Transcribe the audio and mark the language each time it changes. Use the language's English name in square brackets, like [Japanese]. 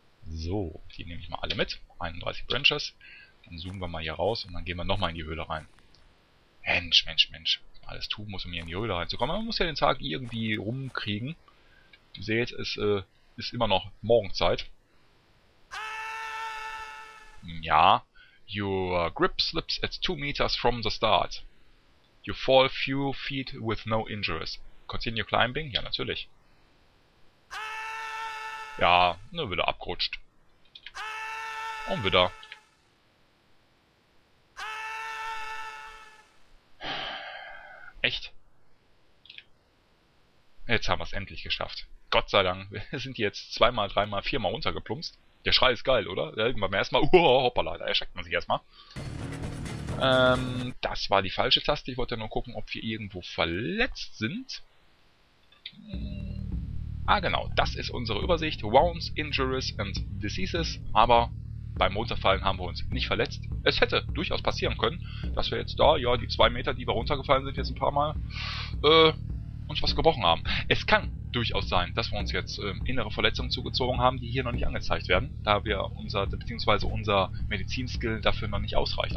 [German] So, die nehme ich mal alle mit. 31 Branches. Dann zoomen wir mal hier raus und dann gehen wir nochmal in die Höhle rein. Mensch, Mensch, Mensch. Alles tun muss, um hier in die Höhle reinzukommen. Man muss ja den Tag irgendwie rumkriegen. Ihr seht, es ist immer noch Morgenzeit. Ja. [English] Your grip slips at 2 meters from the start. You fall few feet with no injuries. Continue climbing? [German] Ja, natürlich. Ja, nur wieder abgerutscht. Und wieder. Echt? Jetzt haben wir es endlich geschafft. Gott sei Dank. Wir sind jetzt zweimal, dreimal, viermal runtergeplumpst. Der Schrei ist geil, oder? Irgendwann erstmal. Hoppala, da erschreckt man sich erstmal. Das war die falsche Taste. Ich wollte nur gucken, ob wir irgendwo verletzt sind. Ah, genau. Das ist unsere Übersicht. [English] Wounds, Injuries and Diseases. [German] Aber beim Runterfallen haben wir uns nicht verletzt. Es hätte durchaus passieren können, dass wir jetzt da, ja, die 2 Meter, die wir runtergefallen sind jetzt ein paar Mal, uns was gebrochen haben. Es kann durchaus sein, dass wir uns jetzt innere Verletzungen zugezogen haben, die hier noch nicht angezeigt werden, da wir unser, beziehungsweise unser Medizinskill dafür noch nicht ausreicht.